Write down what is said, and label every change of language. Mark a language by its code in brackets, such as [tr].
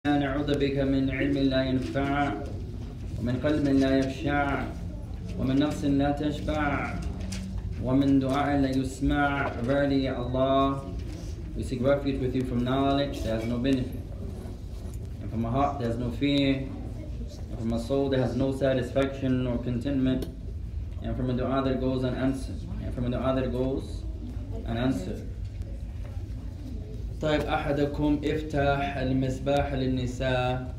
[ar] نعوذ بك من علم لا ينفع ومن قلب لا يخشع ومن نفس لا تشبع ومن دعاء لا يسمع. [en] Verily Allah, we seek refuge with you from knowledge that has no benefit, and from a heart that has no fear, and from a soul that has no satisfaction or contentment, and from a dua that goes unanswered, and from a dua that goes unanswered. [ar] طيب أحدكم افتح المسباح للنساء.